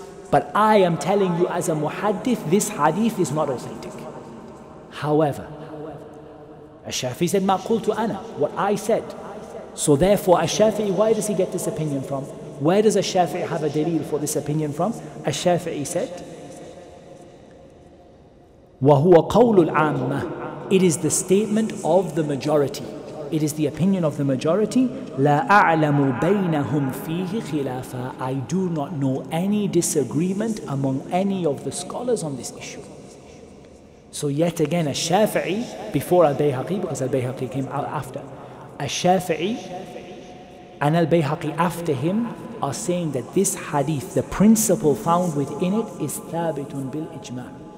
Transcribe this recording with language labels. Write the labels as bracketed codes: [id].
[en] But I am telling you as a muhaddith, this hadith is not authentic. However, Ash-Shafi'i said, [ar] ma qultu ana, [en] what I said. So therefore, Ash-Shafi'i, why does he get this opinion from? Where does Ash-Shafi'i have a dalil for this opinion from? Ash-Shafi'i said, [ar] وَهُوَ قَوْلُ الْعَامَّةِ. [en] It is the statement of the majority. It is the opinion of the majority. [ar] لَا أَعْلَمُ بَيْنَهُمْ فِيهِ خِلَافًا. [en] I do not know any disagreement among any of the scholars on this issue. So yet again, a Shafi'i, before Al-Bayhaqi, because Al-Bayhaqi came out after, a Shafi'i and Al-Bayhaqi after him are saying that this hadith, the principle found within it, is [ar] thabitun bil ijma'.